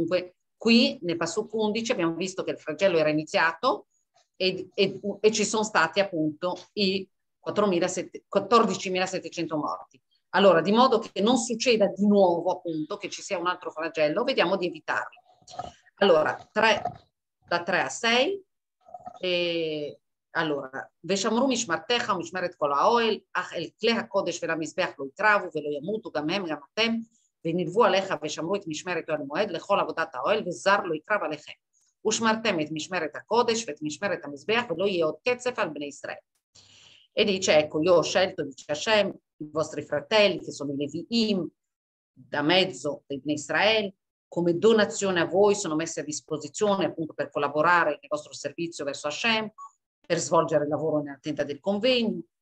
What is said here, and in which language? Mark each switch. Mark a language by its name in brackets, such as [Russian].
[Italian] Dunque, qui nel passo 11 abbiamo visto che il flagello era iniziato e ci sono stati appunto i 14.700 morti. Allora, di modo che non succeda di nuovo appunto che ci sia un altro flagello, vediamo di evitarlo. Allora, da 3 a 6. [Hebrew] Allora, ושמרו משמרתך ומשמרת כל האוהל, אך אל כלי הקודש ולמזבח לא יקרבו ולא ימותו גם הם גם אתם, ונלוו עליך ושמרו את משמרת אוהל מועד לכל עבודת האוהל, וזר לא יקרב עליכם. ושמרתם את משמרת הקודש ואת משמרת המזבח, ולא יהיה עוד קצף על בני ישראל. [Italian] E dice, ecco, io ho scelto, dice Hashem, i vostri fratelli, che sono i Leviim, da mezzo dei Bnei Israel, come donazione a voi sono messi a disposizione appunto per collaborare nel vostro servizio verso Hashem, per svolgere il lavoro nella tenda del convegno.